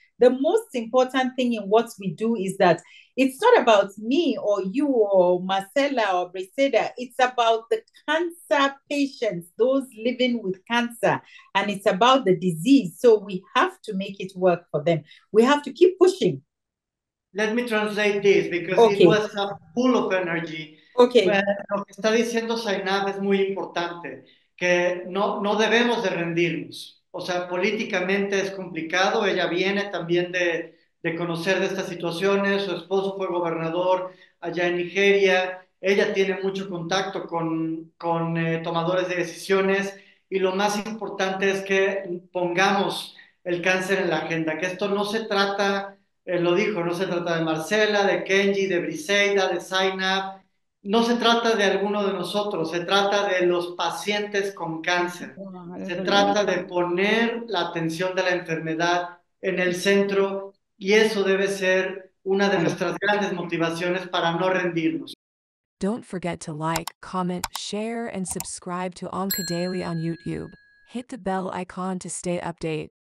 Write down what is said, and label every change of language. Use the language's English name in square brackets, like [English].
[English] The most important thing in what we do is that it's not about me or you or Marcella or Briseda. It's about the cancer patients, those living with cancer, and it's about the disease. So we have to make it work for them. We have to keep pushing. Let me translate this because it was a pool of energy. Okay. [Spanish] Lo que está diciendo Zainab es muy importante, que no debemos de rendirnos. O sea, políticamente es complicado. Ella viene también de conocer de estas situaciones. Su esposo fue gobernador allá en Nigeria. Ella tiene mucho contacto con tomadores de decisiones. Y lo más importante es que pongamos el cáncer en la agenda. Que esto no se trata, lo dijo, no se trata de Marcela, de Kenji, de Briseida, de Zainab. No se trata de alguno de nosotros, se trata de los pacientes con cáncer. Se trata de poner la atención de la enfermedad en el centro, y eso debe ser una de nuestras grandes motivaciones para no rendirnos. [English] Don't forget to like, comment, share and subscribe to Onca Daily on YouTube. Hit the bell icon to stay updated.